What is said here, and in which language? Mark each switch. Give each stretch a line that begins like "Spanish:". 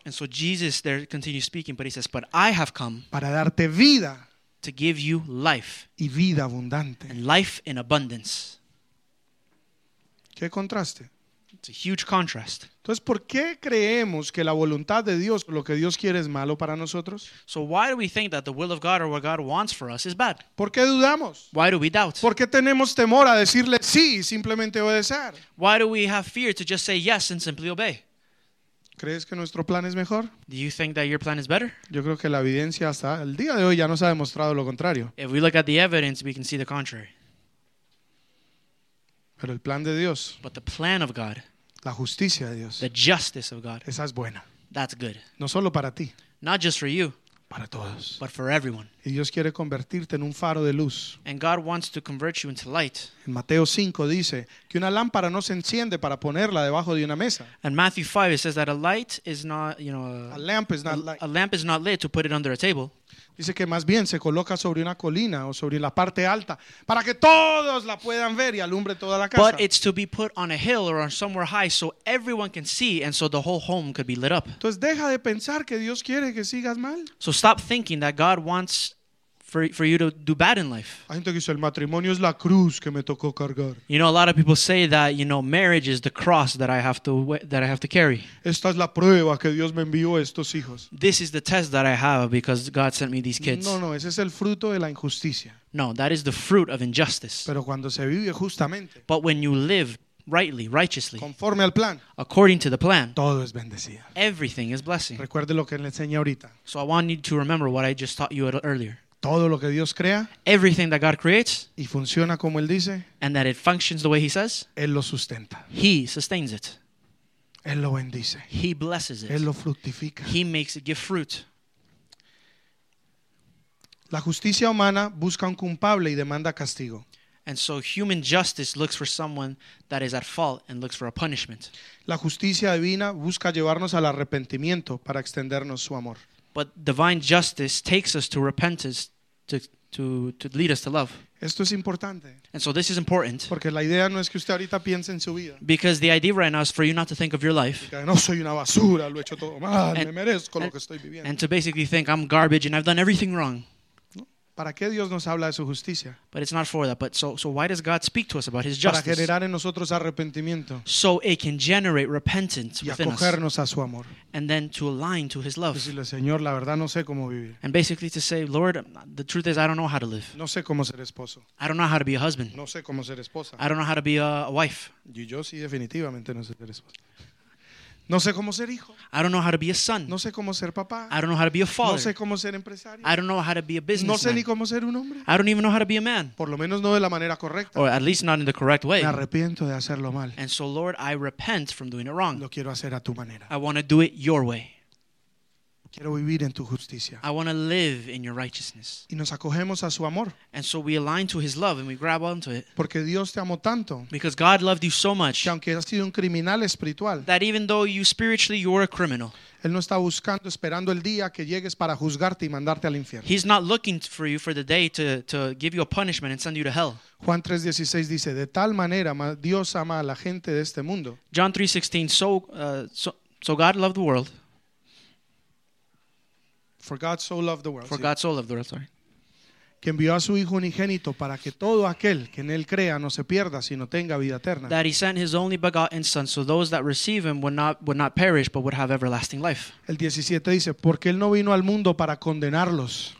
English: And so Jesus there continues speaking, but he says, but I have come.
Spanish: Para darte vida.
English: To give you life.
Spanish: Y vida abundante.
English: And life in abundance.
Spanish: ¿Qué contraste?
English: It's a huge contrast.
Spanish: Entonces, ¿por qué creemos que la voluntad de Dios, lo que Dios quiere, es malo para nosotros?
English: So why do we think that the will of God or what God wants for us is bad?
Spanish: ¿Por qué dudamos?
English: Why do we doubt?
Spanish: ¿Por qué tenemos temor a decirle sí y simplemente obedecer?
English: Why do we have fear to just say yes and simply obey?
Spanish: ¿Crees que nuestro plan es mejor?
English: Do you think that your plan is better?
Spanish: Yo creo que la evidencia hasta el día de hoy ya nos ha demostrado lo contrario.
English: If we look at the evidence, we can see the contrary.
Spanish: Pero el plan de Dios.
English: But the plan of God.
Spanish: La justicia de Dios.
English: The justice of God.
Spanish: Esa es buena.
English: That's good.
Spanish: No solo para ti.
English: Not just for you.
Spanish: Para todos.
English: But for everyone.
Spanish: Y Dios quiere convertirte en un faro de luz.
English: And God wants to convert you into light.
Spanish: En Mateo 5 dice que una lámpara no se enciende para ponerla debajo de una mesa.
English: And Matthew 5 it says that a light is not, you know, a lamp is not light. A lamp is not lit to put it under a table.
Spanish: Dice que más bien se coloca sobre una colina o sobre la parte alta para que todos la puedan ver y alumbre toda la casa.
English: But it's to be put on a hill or on somewhere high so everyone can see and so the whole home could be lit up.
Spanish: Entonces deja de pensar que Dios quiere que sigas mal.
English: So stop thinking that God wants for you to do bad in life.
Spanish: Hay gente que dice, el matrimonio es la cruz que me tocó cargar.
English: You know, a lot of people say that, you know, marriage is the cross that I have to carry.
Spanish: Esta es la prueba que Dios me envió estos hijos.
English: This is the test that I have because God sent me these kids.
Spanish: No, ese es el fruto de la injusticia.
English: No, that is the fruit of injustice.
Spanish: Pero cuando se vive justamente,
English: but when you live rightly, righteously,
Spanish: conforme al plan,
English: according to the plan,
Spanish: todo es bendecido.
English: Everything is blessing.
Spanish: Recuerde lo que le enseñé ahorita.
English: So I want you to remember what I just taught you earlier.
Spanish: Todo lo que Dios crea,
English: everything that God creates,
Spanish: y funciona como Él dice,
English: and that it functions the way He says,
Spanish: Él lo sustenta.
English: He sustains it.
Spanish: Él lo bendice.
English: He blesses it.
Spanish: Él lo fructifica.
English: He makes it give fruit.
Spanish: La justicia humana busca un culpable y demanda castigo.
English: And so human justice looks for someone that is at fault and looks for a punishment.
Spanish: La justicia divina busca llevarnos al arrepentimiento para extendernos su amor.
English: But divine justice takes us to repentance to lead us to love.
Spanish: Esto es importante.
English: And so this is important.
Spanish: Porque la idea no es que usted ahorita piense en su vida.
English: Because the idea right now is for you not to think of your life.
Spanish: No soy una basura, lo he hecho todo mal, me merezco lo que estoy viviendo.
English: And to basically think I'm garbage and I've done everything wrong.
Spanish: ¿Para qué Dios nos habla de su justicia?
English: But it's not for that. But so why does God speak to us about his justice?
Spanish: Para generar en nosotros arrepentimiento.
English: So it can generate repentance
Spanish: y
English: within
Spanish: acogernos
English: us.
Spanish: A su amor.
English: And then to align to his love.
Spanish: Decirle, Señor, la verdad no sé cómo vivir.
English: And basically to say, Lord, the truth is I don't know how to live.
Spanish: No sé cómo ser esposo.
English: I don't know how to be a husband.
Spanish: No sé cómo ser esposa.
English: I don't know how to be a wife.
Spanish: Y yo sí definitivamente no sé ser esposo. No sé cómo ser hijo.
English: I don't know how to be a son.
Spanish: No sé cómo ser papá.
English: I don't know how to be a father.
Spanish: No sé cómo ser empresario.
English: I don't know how to be a businessman.
Spanish: No sé ni cómo ser un hombre.
English: I don't even know how to be a man.
Spanish: Por lo menos no de la manera correcta.
English: Or at least not in the correct way.
Spanish: Me arrepiento de hacerlo mal.
English: And so, Lord, I repent from doing it wrong.
Spanish: Lo quiero hacer a tu manera.
English: I want to do it your way.
Spanish: Quiero vivir en tu justicia.
English: I want to live in your righteousness.
Spanish: Y nos acogemos a su amor.
English: And so we align to his love and we grab onto it.
Spanish: Porque Dios te amó tanto.
English: Because God loved you so much.
Spanish: Que aunque has sido un criminal espiritual.
English: That even though you spiritually you're a criminal.
Spanish: Él no está buscando, esperando el día que llegues para juzgarte y mandarte al infierno.
English: He's not looking for you for the day to give you a punishment and send you to hell.
Spanish: Juan 3:16 dice, de tal manera Dios ama a la gente de este mundo.
English: John 3:16, so God loved the world. For God so loved the world. For God so loved the world, sorry.
Spanish: Que envió a su hijo unigénito para que todo aquel que en él crea no se pierda, sino tenga vida eterna.
English: That he sent his only begotten son, so those that receive him would not perish, but would have everlasting life.
Spanish: El 17 dice, porque él no vino al mundo para condenarlos.